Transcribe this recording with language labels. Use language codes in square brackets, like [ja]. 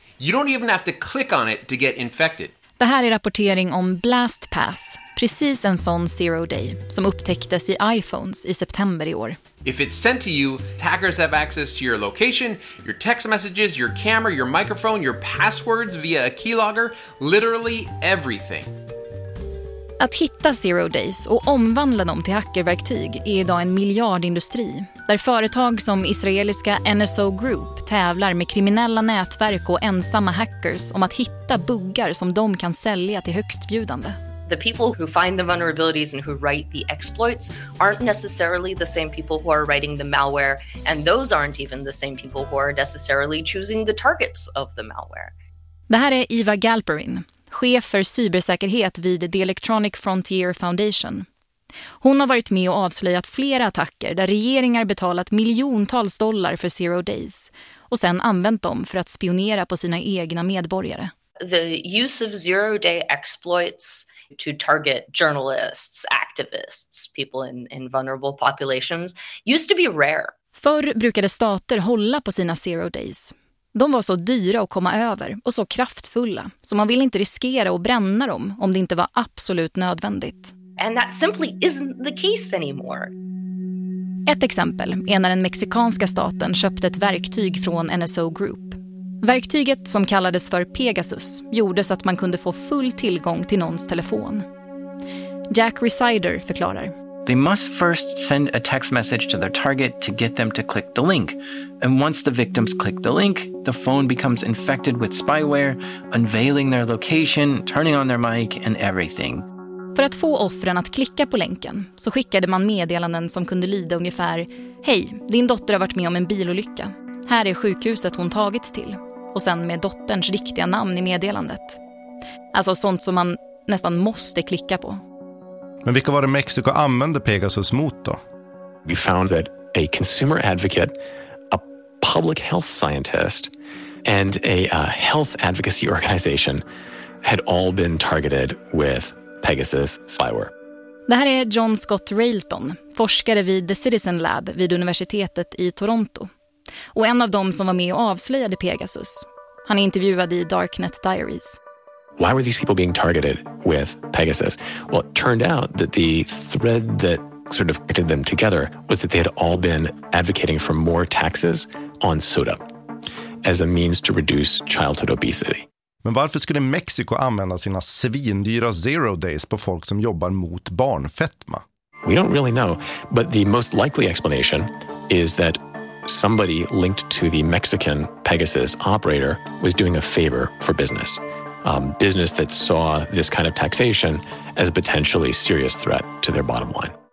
[en] You don't even have to click on it to get infected. [sv] Det här är rapportering om BlastPass, precis en sån zero day, som upptäcktes i iPhones i september i år. [en] If it's sent to you, hackers have access to your location, your text messages, your camera, your microphone, your passwords via a keylogger, literally everything. [sv] Att hitta zero days och omvandla dem till hackerverktyg är idag en miljardindustri där företag som israeliska NSO Group tävlar med kriminella nätverk och ensamma hackers om att hitta buggar som de kan sälja till högstbjudande. [en] The people who find the vulnerabilities and who write the exploits aren't necessarily the same people who are writing the malware, and those aren't even the same people who are necessarily choosing the targets of the malware. [sv] Det här är Eva Galperin, chef för cybersäkerhet vid The Electronic Frontier Foundation. Hon har varit med och avslöjat flera attacker där regeringar betalat miljontals dollar för zero days och sen använt dem för att spionera på sina egna medborgare. [en] The use of zero day exploits to target journalists, activists, people in vulnerable populations used to be rare. [sv] Förr brukade stater hålla på sina zero days. De var så dyra att komma över och så kraftfulla, så man ville inte riskera att bränna dem om det inte var absolut nödvändigt. [en] And that simply isn't the case anymore. [sv] Ett exempel är när den mexikanska staten köpte ett verktyg från NSO Group. Verktyget, som kallades för Pegasus, gjorde så att man kunde få full tillgång till någons telefon. Jack Resider förklarar. [en] They must first send a text message to their target to get them to click the link. And once the victims click the link, the phone becomes infected with spyware, unveiling their location, turning on their mic and everything. [sv] För att få offren att klicka på länken så skickade man meddelanden som kunde lyda ungefär: "Hej, din dotter har varit med om en bilolycka. Här är sjukhuset hon tagits till." Och sen med dotterns riktiga namn i meddelandet. Alltså sånt som man nästan måste klicka på. Men vilka var det Mexiko använde Pegasus mot då? [en] We found that a consumer advocate, a public health scientist and a health advocacy organization had all been targeted with Pegasus spyware. [sv] Det här är John Scott Railton, forskare vid The Citizen Lab vid universitetet i Toronto. Och en av dem som var med och avslöjade Pegasus. Han är intervjuad i Darknet Diaries. [en] Why were these people being targeted with Pegasus? Well, it turned out that the thread that sort of connected them together was that they had all been advocating for more taxes on soda as a means to reduce childhood obesity. [sv] Men varför skulle Mexiko använda sina svindyra zero days på folk som jobbar mot barnfetma? [en] We don't really know, but the most likely explanation is that somebody linked to the Mexican Pegasus operator was doing a favor for business. Business that saw this kind of taxation as a potentially serious threat to their bottom line.